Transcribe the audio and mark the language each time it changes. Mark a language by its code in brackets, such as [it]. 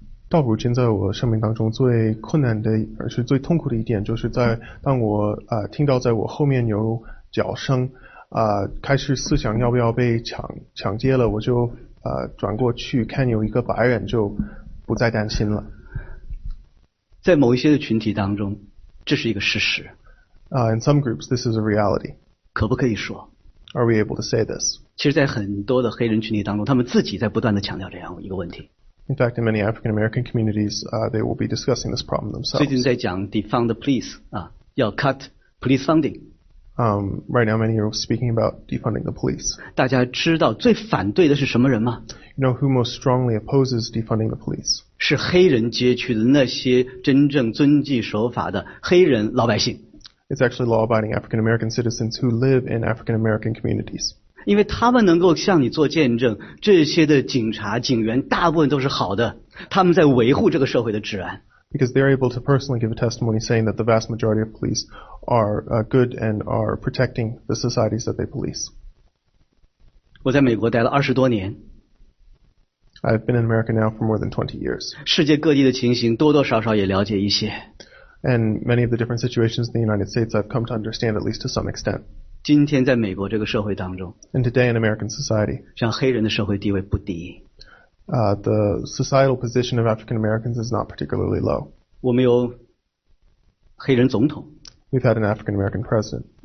[zh] 倒不如今在我生命当中最困难的而是最痛苦的一点就是在当我听到在我后面有脚声开始思想要不要被抢劫了我就转过去看有一个白人就不再担心了在某一些的群体当中这是一个事实 [en] In some groups this is a reality [zh] 可不可以说 [en] are we able to say this? [zh] 其实在很多的黑人群体当中，他们自己在不断地强调这样一个问题。 [en] In fact, in many African American communities, they will be discussing this problem themselves. [zh] 最近在讲 [en] defund the police, [zh] 要 [en] cut police funding. Right now, many are speaking about defunding the police. [zh] 大家知道最反对的是什么人吗？ [en] You know who most strongly opposes defunding the police? [zh] 是黑人街区的那些真正遵纪守法的黑人老百姓。 [en] It's actually law-abiding African American citizens who live in African American communities. [zh] 因为他们能够向你做见证，这些的警察、警员大部分都是好的，他们在维护这个社会的治安。 [en] Because they're able to personally give a testimony saying that the vast majority of police are good and are protecting the societies that they police. [zh] 我在美国待了二十多年。 [en] I've been in America now for more than 20 years. [zh] 世界各地的情形多多少少也了解一些。 [en] And many of the different situations in the United States I've come to understand at least to some extent. [zh] 今天在美国这个社会当中。 [en] And today in American society. [zh] 像黑人的社会地位不低。 [en] The societal position of African Americans is not particularly low. [zh] 我们有黑人总统。 [en] We've had an African American president.